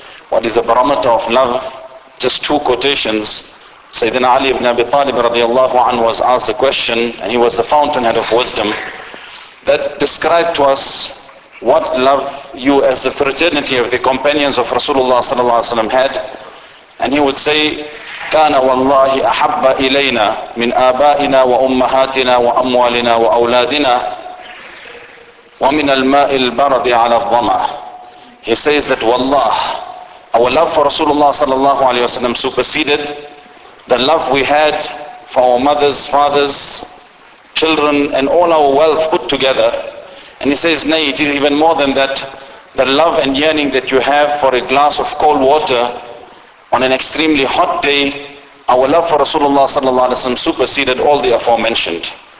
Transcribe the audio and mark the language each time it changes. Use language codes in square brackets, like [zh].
[en] What is the barometer of love? Just two quotations. Sayyidina Ali ibn Abi Talib radiallahu anhu was asked a question, and he was the fountainhead of wisdom, that described to us what love you as the fraternity of the companions of Rasulullah sallallahu alayhi wa sallam had. [ar] And he would say, كان والله أحب إلينا من آبائنا وأمهاتنا وأموالنا وأولادنا ومن الماء البرد على الظمأ. [en] He says that والله, our love for Rasulullah sallallahu alayhi wa sallam superseded the love we had for our mothers, fathers, children, and all our wealth put together. And he says, nay, it is even more than that. The love and yearning that you have for a glass of cold water on an extremely hot day, our love for Rasulullah sallallahu alaihi wasallam superseded all the aforementioned.